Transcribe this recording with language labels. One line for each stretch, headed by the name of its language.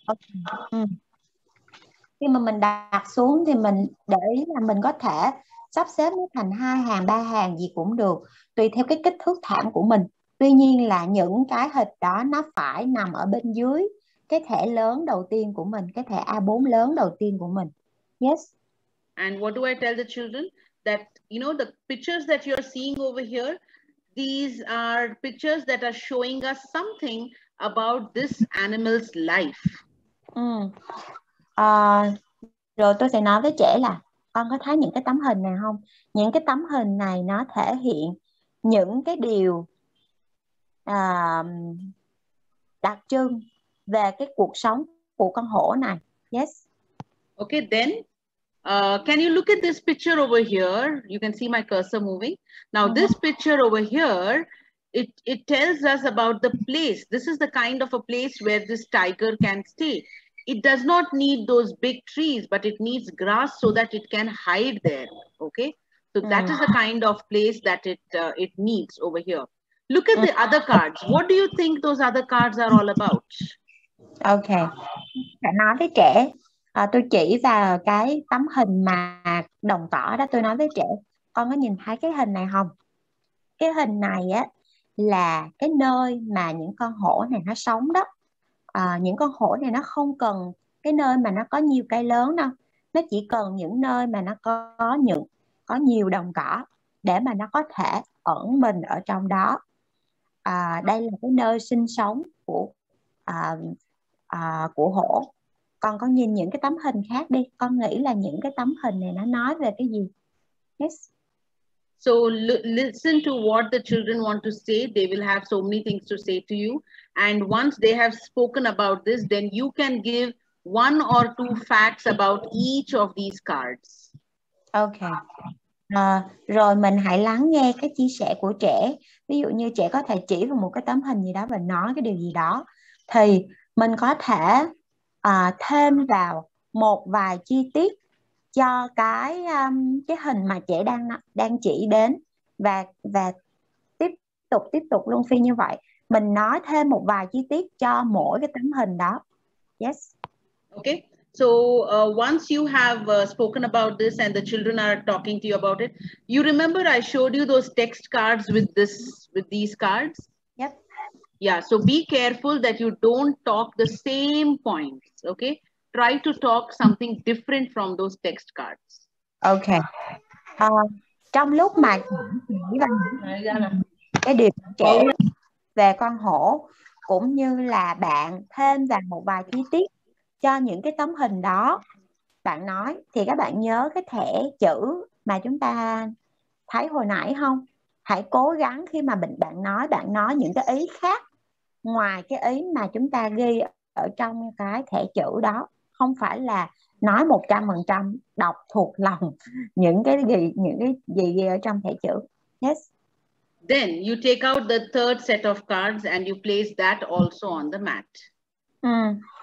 English: Okay.
Vietnamese: Khi mà mình đặt xuống thì mình để ý là mình có thể sắp xếp nó thành hai hàng, ba hàng gì cũng được, tùy theo cái kích thước thảm của mình. Tuy nhiên là những cái hình đó nó phải nằm ở bên dưới cái thẻ lớn đầu tiên của mình, cái thẻ A4 lớn đầu tiên của mình.
English: Yes. And what do I tell the children? That, you know, the pictures that you're seeing over here, these are pictures that are showing us something about this animal's life.
Vietnamese: Rồi tôi sẽ nói với trẻ là con có thấy những cái tấm hình này không? Những cái tấm hình này nó thể hiện những cái điều đặc trưng về cái cuộc sống của con hổ này.
English: Yes. Okay, then can you look at this picture over here? You can see my cursor moving. Now this picture over here, it tells us about the place. This is the kind of a place where this tiger can stay. It does not need those big trees, but it needs grass so that it can hide there. Okay, so that is the kind of place that it needs over here. Look at the other cards. What do you think those other cards are all about?
Vietnamese: Okay, nói với trẻ, tôi chỉ vào cái tấm hình mà đồng cỏ đó. Tôi nói với trẻ, con có nhìn thấy cái hình này không? Cái hình này á là cái nơi mà những con hổ này nó sống đó. À, những con hổ này nó không cần cái nơi mà nó có nhiều cây lớn đâu, nó chỉ cần những nơi mà nó có nhiều đồng cỏ để mà nó có thể ẩn mình ở trong đó. À, đây là cái nơi sinh sống của hổ. Con có nhìn những cái tấm hình khác đi, con nghĩ là những cái tấm hình này nó nói về cái gì?
English: Yes. So listen to what the children want to say. They will have so many things to say to you. And once they have spoken about this, then you can give one or two facts about each of these cards. Okay.
Vietnamese: À, rồi mình hãy lắng nghe cái chia sẻ của trẻ. Ví dụ như trẻ có thể chỉ vào một cái tấm hình gì đó và nói cái điều gì đó, thì mình có thể thêm vào một vài chi tiết cho cái hình mà trẻ đang đang chỉ đến, và tiếp tục luôn phi như vậy. Mình nói thêm một vài chi tiết cho mỗi cái tấm hình đó.
English: Yes. Okay. So once you have spoken about this and the children are talking to you about it, you remember I showed you those text cards with these cards? Yep. Yeah, so be careful that you don't talk the same points, okay? Try to talk something different from those text cards. Okay.
Vietnamese: Trong lúc mà cái điều trẻ về con hổ cũng như là bạn thêm vào một vài chi tiết cho những cái tấm hình đó bạn nói, thì các bạn nhớ cái thẻ chữ mà chúng ta thấy hồi nãy không? Hãy cố gắng khi mà bạn nói những cái ý khác ngoài cái ý mà chúng ta ghi ở trong cái thẻ chữ đó, không phải là nói 100% đọc thuộc lòng những cái gì ở trong thẻ chữ.
English: Yes. Then you take out the third set of cards and you place that also on the mat.